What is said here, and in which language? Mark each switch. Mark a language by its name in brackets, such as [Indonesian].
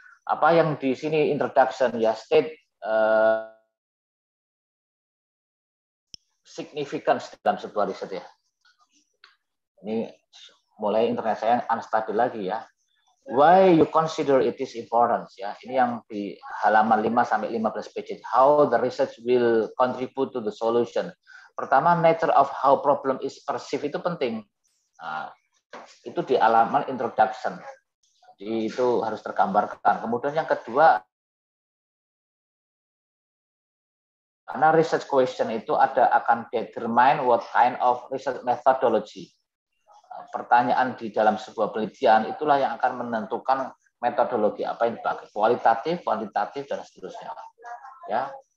[Indonesian] Apa yang di sini introduction, ya, [English] state significance [Indonesian] dalam sebuah riset, ya. Ini mulai internet saya unstable lagi, ya. [English] Why you consider it is important, [Indonesian] ya. Ini yang di halaman 5 sampai 15 pages. [English] How the research will contribute to the solution. Pertama, nature of how problem is perceived [Indonesian] itu penting. Nah, itu di halaman introduction. Jadi itu harus tergambarkan. Kemudian yang kedua, karena [English] research question [Indonesian] itu ada akan [English] determine what kind of research methodology. [Indonesian] Pertanyaan di dalam sebuah penelitian itulah yang akan menentukan metodologi apa yang dipakai, kualitatif, kuantitatif, dan seterusnya. Ya.